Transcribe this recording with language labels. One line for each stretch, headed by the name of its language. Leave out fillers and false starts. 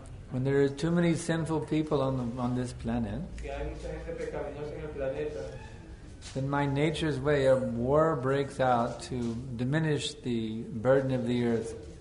English: when there are too many sinful people on this planet,
Spanish: si hay mucha gente pecaminosa en el planeta,
English: then my nature's way of war breaks out to diminish the burden of the earth.